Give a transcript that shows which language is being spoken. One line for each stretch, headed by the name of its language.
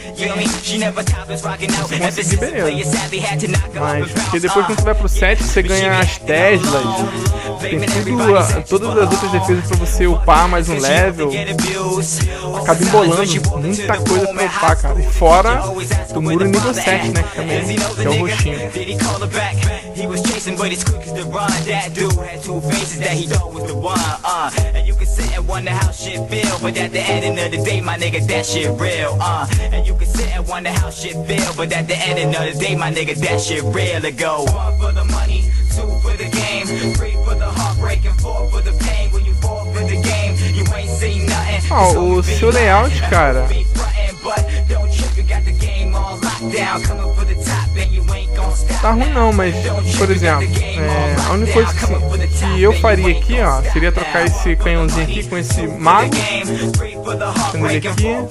Portuguese: Você conseguir, beleza. Mas porque depois quando você vai pro 7, você ganha as Teslas. Tem tudo, todas as outras defesas pra você upar mais um level. Acaba embolando muita coisa pra upar, cara. E fora do muro nível 7, né? Que também que é o roxinho.
English: But it's quick as the run. That dude had two faces that he thought was the one. And you can sit and wonder how shit feel, but at the end of the day, my nigga, that shit real. And you can sit and wonder how shit feel, but at the end of the day, my nigga, that shit real. It go one for the money, two for the game, three for the heartbreak, and four for the pain. When you fall for the game, you ain't seen nothing.
Portuguese: Oh, so seu layout, cara.
English: But don't trip, you got the game all locked down. Come up for the top, and you ain't gonna stop.
Portuguese: Tá ruim não, mas, por exemplo, a única coisa que eu faria aqui, ó, seria trocar esse canhãozinho aqui com esse mago. Tendo ele aqui.